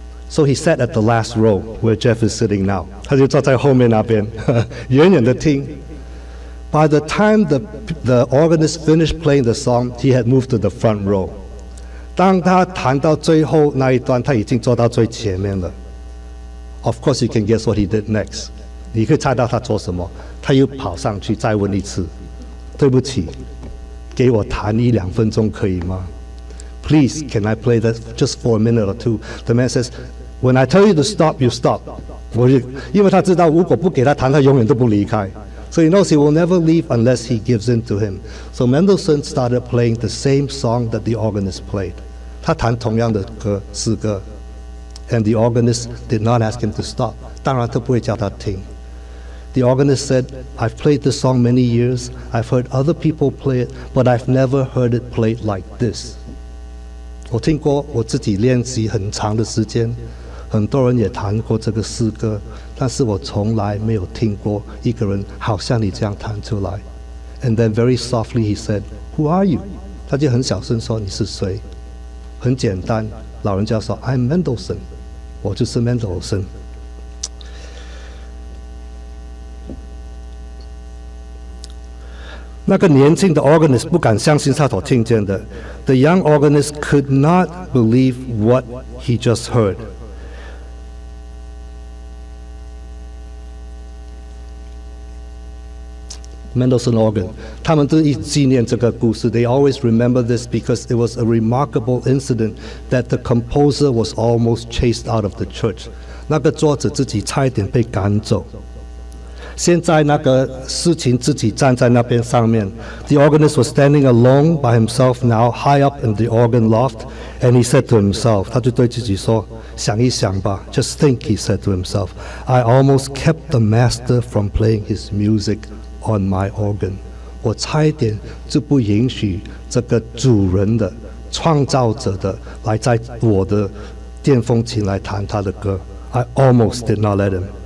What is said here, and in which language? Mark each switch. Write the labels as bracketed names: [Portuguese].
[English] So he sat at the last row where Jeff is sitting now. [Chinese] 他就坐在后面那边,远远地听。 [English] By the time the organist finished playing the song, he had moved to the front row. [Chinese] 当他弹到最后那一段,他已经坐到最前面了。 [English] Of course, you can guess what he did next. [Chinese] 你可以猜到他做什么。他又跑上去再问一次。对不起,给我弹一两分钟可以吗? [English] Please, can I play that just for a minute or two? The man says, when I tell you to stop, you stop. [Chinese] 因为他知道如果不给他弹,他永远都不离开。 [English] So he knows he will never leave unless he gives in to him. So Mendelssohn started playing the same song that the organist played. [Chinese] 他弹同样的歌，四个, [English] and the organist did not ask him to stop. [Chinese] 当然他不会叫他停。 [English] The organist said, I've played this song many years, I've heard other people play it, but I've never heard it played like this. [Chinese] 我听过我自己练习很长的时间，很多人也弹过这个诗歌，但是我从来没有听过一个人好像你这样弹出来。 [English] And then very softly he said, Who are you? [Chinese] 他就很小声说你是谁。很简单，老人家说 [English] I'm Mendelssohn， [Chinese] 我就是 Mendelssohn。那个年轻的 organist 不敢相信他所听见的。 [English] The young organist could not believe what he just heard. [Chinese] Mendelssohn organ， 他们都一纪念这个故事。 [English] They always remember this because it was a remarkable incident that the composer was almost chased out of the church. [Chinese] 那个作者自己差一点被赶走。现在那个事情自己站在那边上面。 [English] The organist was standing alone by himself now, high up in the organ loft, and he said to himself， [Chinese] 他就对自己说，想一想吧， [English] just think， he said to himself， I almost kept the master from playing his music on my organ， [Chinese] 我差一点就不允许这个主人的创造者的来在我的电风琴来弹他的歌。 [English] I almost did not let him。